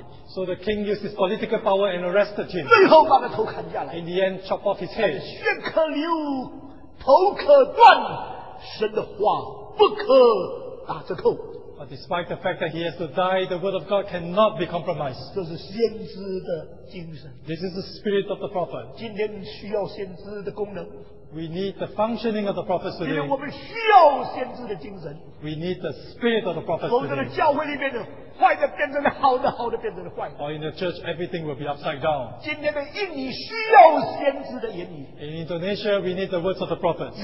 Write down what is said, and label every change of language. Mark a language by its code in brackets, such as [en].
[en] So the king used his political power and arrested him. In the end, chopped off his head. But despite the fact that he has to die, the word of God cannot be compromised. [zh] 这是先知的精神. [en] This is the spirit of the prophet. [zh] 今天需要先知的功能. [en] We need the functioning of the prophets today. [zh] 因为我们需要先知的精神. [en] We need the spirit of the prophets today. [zh] 否则的教会里面的坏的变成了好的，好的变成了坏. [en] Or in the church, everything will be upside down. [zh] 今天的印尼需要先知的言语. [en] In Indonesia, we need the words of the prophets.